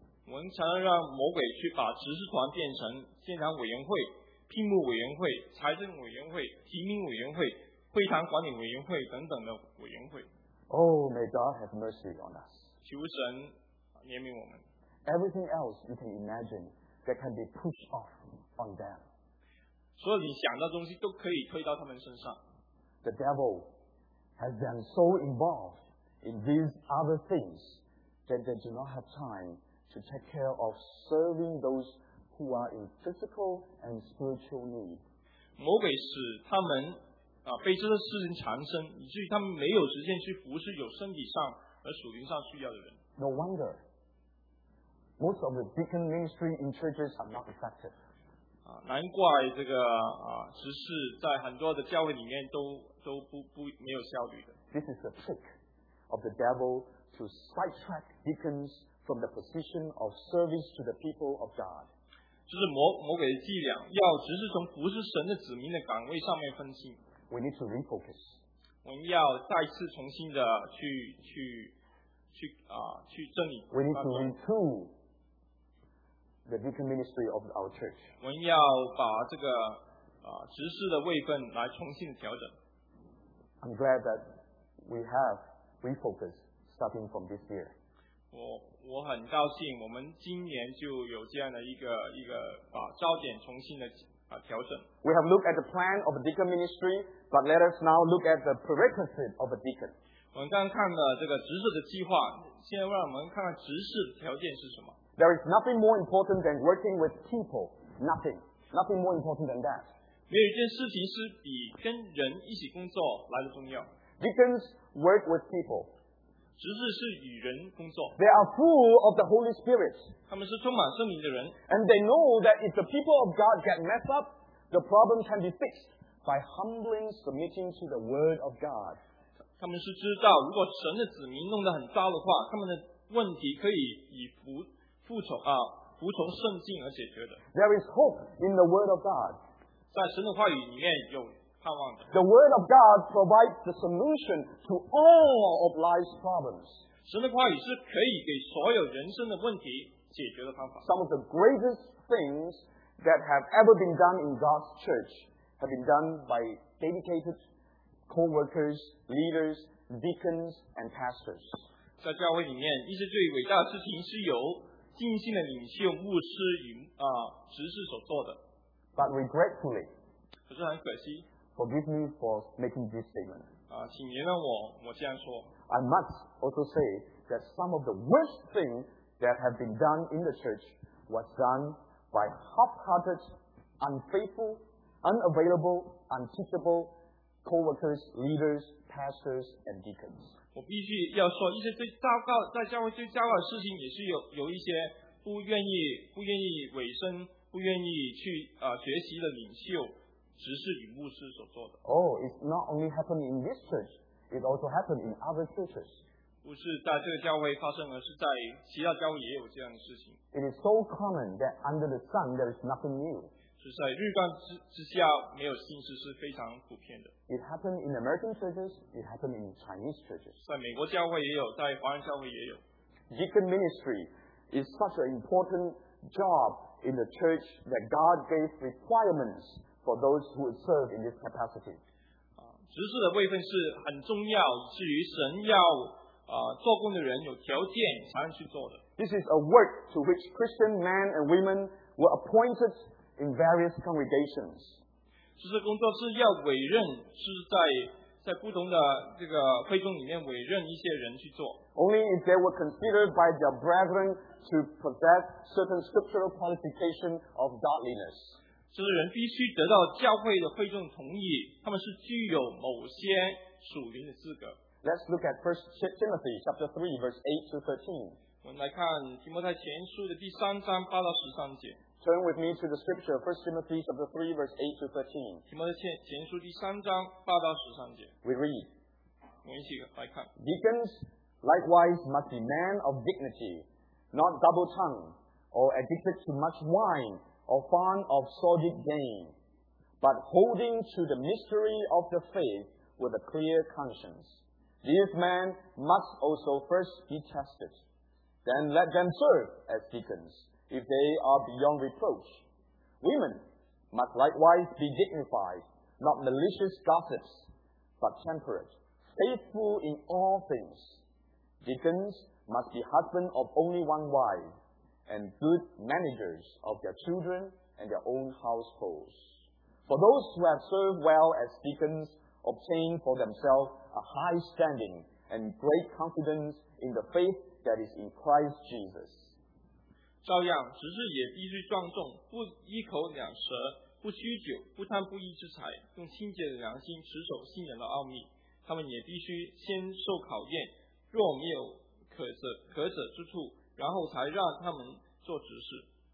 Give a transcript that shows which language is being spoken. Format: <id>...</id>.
<zh>我们常常让魔鬼去把执事团变成现场委员会、聘募委员会、财政委员会、提名委员会、会堂管理委员会等等的委员会。</zh> <en>Oh, may God have mercy on us.</en> <zh>求神怜悯我们。</zh> <en>Everything else you can imagine that can be pushed off on them.</en> <zh>所有你想到的东西都可以推到他们身上。</zh> <en>The devil has them so involved in these other things that they do not have time to take care of serving those who are in physical and spiritual need.</en> <zh>魔鬼使他们被这些事情缠身，以至于他们没有时间去服侍有身体上和属灵上需要的人。</zh> <en>No wonder most of the deacon ministry in churches are not effective.</en> <zh>难怪这个执事在很多的教会里面都不没有效率的。</zh> <en>This is the trick of the devil to sidetrack deacons from the position of service to the people of God.</en> <zh>这是魔鬼的伎俩，要执事从服侍神的子民的岗位上面分心。</zh> <en>We need to refocus.</en> <zh>我们要再次重新的去整理。</zh> <en>We need to retool the deacon ministry of our church.</en> <zh>我们要把这个执事的位分来重新调整。</zh> <en>I'm glad that we have refocused starting from this year.</en> <zh>我很高兴，我们今年就有这样的一个把焦点重新的调整。</zh> <en>We have looked at the plan of a deacon ministry, but let us now look at the prerequisite of a deacon.</en> <zh>我们刚刚看了这个执事的计划，现在让我们看看执事的条件是什么。</zh> <en>There is nothing more important than working with people. Nothing more important than that.</en> <zh>没有一件事情是比跟人一起工作来的重要。</zh> <en>Deacons work with people.</en> <zh>执事是与人工作。</zh> <en>They are full of the Holy Spirit.</en> <zh>他们是充满圣灵的人。</zh> <en>And they know that if the people of God get messed up, the problem can be fixed by humbly submitting to the Word of God.</en> <zh>他们是知道，如果神的子民弄得很糟的话，他们的问题可以以服从圣经而解决的。</zh> <en>There is hope in the Word of God.</en> <zh>在神的话语里面有盼望的。</zh> <en>The Word of God provides the solution to all of life's problems.</en> <zh>神的话语是可以给所有人生的问题解决的方法。</zh> <en>Some of the greatest things that have ever been done in God's church have been done by dedicated co-workers, leaders, deacons, and pastors.</en> <zh>在教会里面，一些最伟大的事情是由尽心的领袖、牧师与执事所做的。</zh> <en>But regretfully,</en> <zh>可是很可惜。</zh> <en>Forgive me for making this statement.</en> <zh>请原谅我这样说。</zh> <en>I must also say that some of the worst things that have been done in the church was done by half-hearted, unfaithful, unavailable, unteachable co-workers, leaders, pastors, and deacons.</en> <zh>我必须要说，一些最糟糕，在教会最糟糕的事情，也是有一些不愿意委身，不愿意去学习的领袖，执事与牧师所做的。</zh> <en>Oh, it's not only happening in this church, it also happened in other churches.</en> <zh>不是在这个教会发生，而是在其他教会也有这样的事情。</zh> <en>It is so common that under the sun there is nothing new.</en> <zh>就是在日光之下没有新事是非常普遍的。</zh> <en>It happened in American churches, it happened in Chinese churches.</en> <zh>在美国教会也有，在华人教会也有。</zh> <en>Deacon ministry is such an important job in the church that God gave requirements for those who would serve in this capacity.</en> <zh>执事的位分是很重要，至于神要做工的人有条件才能去做的。</zh> <en>This is a work to which Christian men and women were appointed. In various congregations.</en> <zh>执事工作是要委任，是在不同的这个会众里面委任一些人去做。</zh> <en>Only if they were considered by their brethren to possess certain scriptural qualification of godliness.</en> <zh>执事人必须得到教会的会众同意，他们是具有某些属灵的资格。</zh> <en>Let's look at 1 Timothy chapter 3 verse 8 to 13.</en> <zh>我们来看提摩太前书的第三章八到十三节。</zh> <en>Turn with me to the scripture, 1 Timothy chapter 3, verse 8 to 13.</en> <zh>提摩太前书第三章八到十三节。</zh> <en>We read.</en> <zh>我们一起来看。</zh> <en>Deacons, likewise, must be men of dignity, not double-tongued, or addicted to much wine, or fond of sordid gain, but holding to the mystery of the faith with a clear conscience. These men must also first be tested. Then let them serve as deacons. If they are beyond reproach, women must likewise be dignified, not malicious gossips, but temperate, faithful in all things. Deacons must be husbands of only one wife, and good managers of their children and their own households. For those who have served well as deacons obtain for themselves a high standing and great confidence in the faith that is in Christ Jesus.</en> <zh>照样，执事也必须庄重，不一口两舌，不酗酒，不贪不义之财，用清洁的良心持守信仰的奥秘。他们也必须先受考验，若没有可舍之处，然后才让他们做执事。</zh>